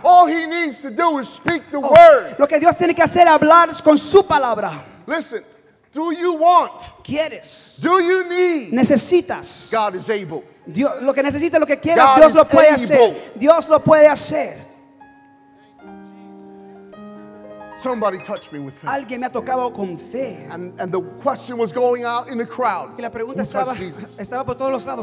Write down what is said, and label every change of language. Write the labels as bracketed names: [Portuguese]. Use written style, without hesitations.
[English] All he needs to do is speak the word. [Spanish] Lo que Dios tiene que hacer es hablar con su palabra. [English] Listen, do you want? [Spanish] ¿Quieres? [English] Do you need? [Spanish] Necesitas. [English] God is able. [Spanish] Dios, lo que necesita, lo que quiere, Dios lo puede hacer. Dios lo puede hacer. [English] Somebody touched me with faith. [Spanish] Alguien me ha tocado con fe. [English] And the question was going out in the crowd. [Spanish] Y la pregunta estaba por todos los lados.